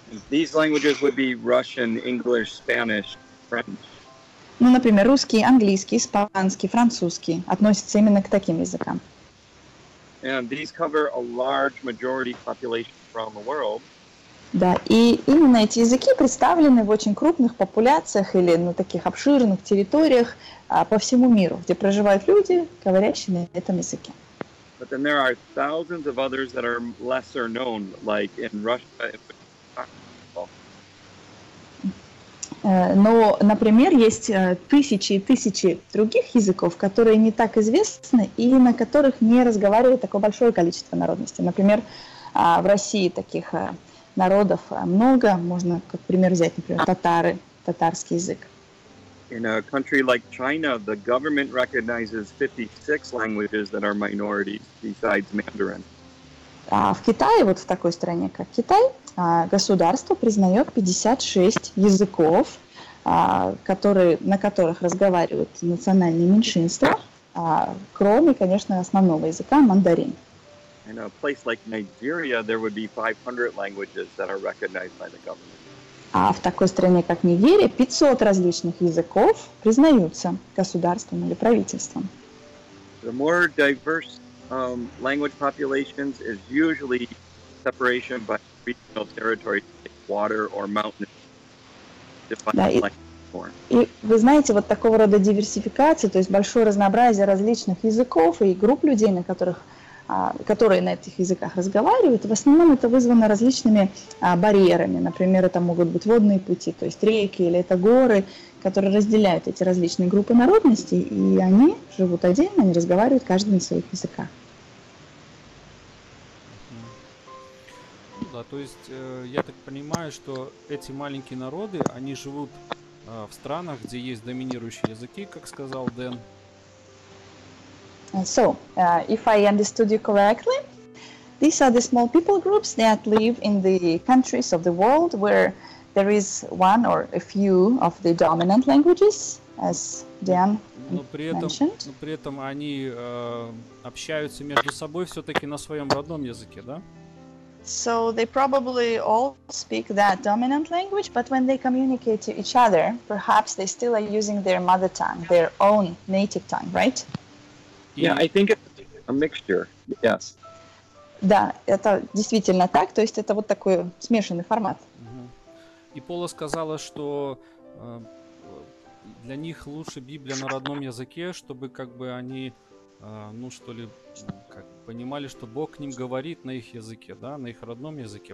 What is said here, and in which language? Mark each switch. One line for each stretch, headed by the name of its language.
English: These languages would be Russian, English, Spanish, French.
Russian: Ну, например, русский, английский, испанский, французский относятся именно к таким языкам.
English: And these cover a large majority population around the world.
Russian: Да, и именно эти языки представлены в очень крупных популяциях или на таких обширных территориях по всему миру, где проживают люди, говорящие на этом языке.
English: But then there are thousands of others that are lesser known, like in Russia.
Russian: Но, например, есть тысячи и тысячи других языков, которые не так известны и на которых не разговаривает такое большое количество народностей. Например, в России таких народов много. Можно, как пример, взять, например, татары, татарский язык.
English: In a country like China, the government recognizes 56 languages that are minorities besides Mandarin.
Russian: А в Китае, вот в такой стране, как Китай, государство признает 56 языков, на которых разговаривают национальные меньшинства, кроме, конечно, основного языка мандарин.
English: In a place like Nigeria, there would be 500 languages that are recognized by the government.
Russian: А в такой стране, как Нигерия, 500 различных языков признаются государством или правительством.
English: The more diverse language populations is usually separation by regional territory, water or mountains.
Russian: И вы знаете, вот такого рода диверсификация, то есть большое разнообразие различных языков и групп людей, на которых, которые на этих языках разговаривают, в основном это вызвано различными барьерами. Например, это могут быть водные пути, то есть реки, или это горы, которые разделяют эти различные группы народностей, и они живут отдельно, они разговаривают каждый на своих языках. Да, то есть я так понимаю, что эти маленькие народы, они живут в странах, где есть доминирующие языки, как сказал Дэн.
English: So, if I understood you correctly, these are the small people groups that live in the countries of the world where there is one or a few of the dominant languages, as Dan mentioned.
Russian: Но при этом они общаются между собой все-таки на своем родном языке, да?
English: So they probably all speak that dominant language, but when they communicate to each other, perhaps they still are using their mother tongue, their own native tongue, right? Yeah, I think it's a mixture, yes.
Russian: Да, это действительно так, то есть это вот такой смешанный формат. И Пола сказала, что для них лучше Библия на родном языке, чтобы как бы они, ну что ли, как понимали, что Бог к ним говорит на их языке, да, на их родном языке.